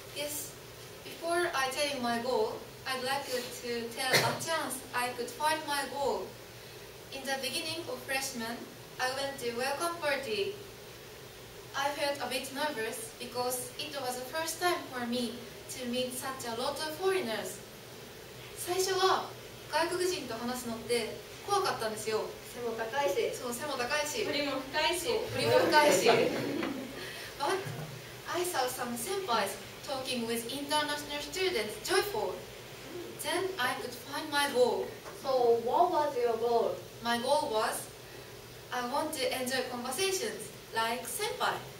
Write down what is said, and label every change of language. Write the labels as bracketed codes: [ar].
[en] Yes, before I tell you my goal, I'd like you to tell a chance I could find my goal. In the beginning of freshman, I went to welcome party. I felt a bit nervous because it was the first time for me to meet such a lot of foreigners. [ja] 最初は外国人と話すのって怖かったんですよ。背も高いし。振りも深いし。 [en] But,I saw some senpais talking with international students joyful. Then I could find my goal. So what was your goal? My goal was, I want to enjoy conversations like senpai.